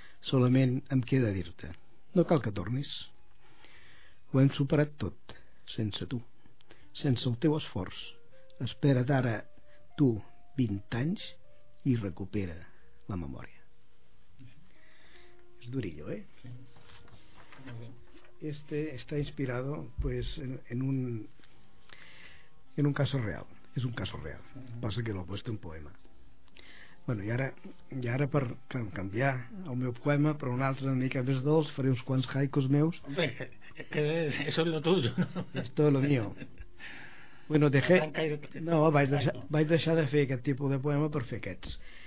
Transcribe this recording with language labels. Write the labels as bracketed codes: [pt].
[ca] Solament em queda dir-te, no cal que tornis. Ho hem superat tot, sense tu, sense el teu esforç. Espera't ara, tu, 20 anys, i recupera la memòria. És durillo, eh? [es] Este está inspirado, pues, en un caso real. És un caso real. [ca] Passa que l'ho ha puesto en poema. Bueno, i ara per canviar el meu poema, però un altre una mica més dolç, faré uns quants haikus meus. [es] Hombre, eso es lo tuyo, ¿no? Es todo lo mío. [ca] Bueno, vaig deixar de fer aquest tipus de poema per fer aquests.